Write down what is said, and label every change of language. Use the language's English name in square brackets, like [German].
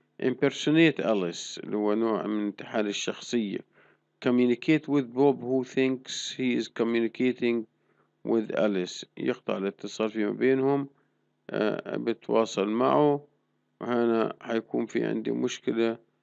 [English] Impersonate Alice [Arabic] اللي هو نوع من انتحال الشخصية. [English] Communicate with Bob who thinks he is communicating with Alice. [Arabic] يقطع الاتصال فيما بينهم بتواصل معه، وهنا حيكون في عندي مشكلة.